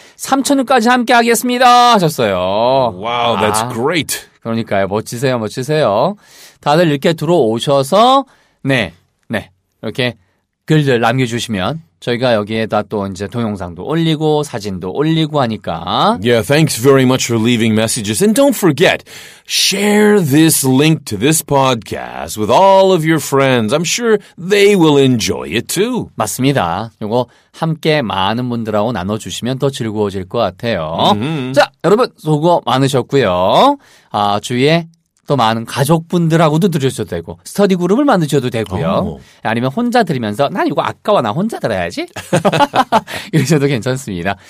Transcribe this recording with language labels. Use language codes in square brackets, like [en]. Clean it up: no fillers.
[ko] 3,000원까지 함께 하겠습니다 하셨어요. [en] 와우, wow, that's great. 아, [ko] 그러니까요. 멋지세요, 멋지세요. 다들 이렇게 들어오셔서, 네, 네. 이렇게 글들 남겨주시면 저희가 여기에다 또 이제 동영상도 올리고 사진도 올리고 하니까. [en] Yeah, thanks very much for leaving messages. And don't forget, share this link to this podcast with all of your friends. I'm sure they will enjoy it too. [ko] 맞습니다. 이거 함께 많은 분들하고 나눠주시면 더 즐거워질 것 같아요. Mm-hmm. 자, 여러분 수고 많으셨고요. 아, 주위에 또 많은 가족분들하고도 들으셔도 되고 스터디 그룹을 만드셔도 되고요. 아니면 혼자 들으면서 난 이거 아까워 나 혼자 들어야지 이러셔도 괜찮습니다.